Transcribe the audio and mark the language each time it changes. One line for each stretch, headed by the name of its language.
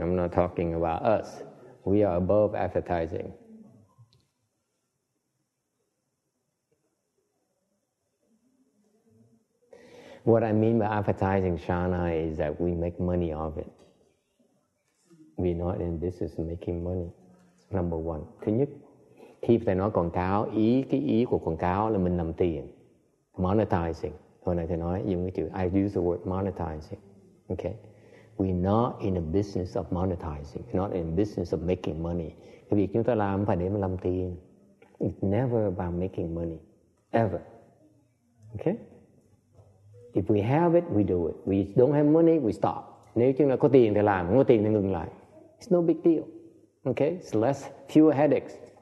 English: I'm not talking about us. We are above advertising. What I mean by advertising Shana is that we make money off it. We're not in business of making money, number one.
Vietnamese: Thứ nhất, khi thầy nói quảng cáo, ý cái ý của quảng cáo là mình làm tiền, monetizing. Hồi nãy thầy nói dùng cái chữ,
English: I use the word monetizing. Okay. We're not in the business of monetizing, not in the business of making money.
Vietnamese: Cái việc chúng ta làm phải để mà làm tiền.
English: It's never about making money, ever. Okay? If we have it, we do it. We don't have money, we stop.
Vietnamese: Nếu chúng ta có tiền thì làm, không có tiền thì ngừng lại.
English: It's no big deal. Okay? It's less, fewer headaches.